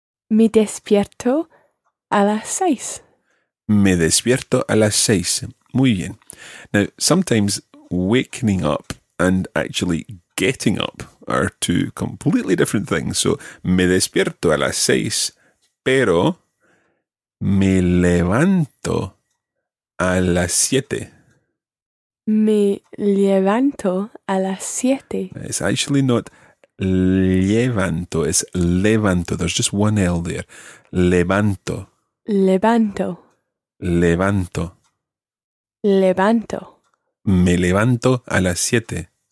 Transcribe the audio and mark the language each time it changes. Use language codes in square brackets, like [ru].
[es] Me despierto a las seis. Me despierto a las seis. Muy bien. [en] Now, sometimes wakening up and actually getting up are two completely different things. [es] So, me despierto a las seis, pero me levanto a las siete. Me levanto a las siete. [en] It's actually not levanto, it's levanto. There's just one L there. Levanto. [es] Levanto. Levanto. Levanto. Me levanto a las siete.